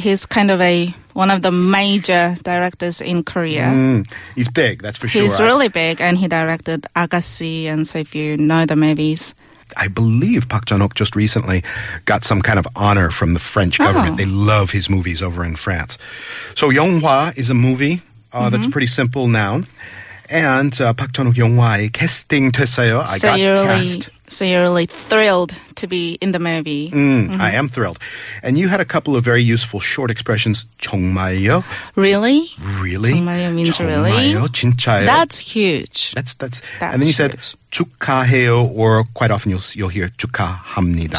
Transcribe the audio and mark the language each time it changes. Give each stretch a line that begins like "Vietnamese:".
English: He's kind of one of the major directors in Korea. Mm, he's big, that's for sure. He's really big, and he directed Agassi, and so if you know the movies. I believe Park Chan-wook just recently got some kind of honor from the French government. Oh. They love his movies over in France. So 영화 is a movie mm-hmm. that's a pretty simple noun.
Korean: And 박 찬욱 영화에 캐스팅 됐어요.
English: I got cast. So you're really thrilled to be in the movie. Mm, mm-hmm. I am thrilled. And you had a couple of very useful short expressions.
Korean: 정말요?
English: Really? Really? 정말요 means really?
Korean: 정말요? 진짜요?
English: That's huge. That's and then you said
Korean: 축하해요,
English: or quite often you'll hear
Korean: 축하합니다.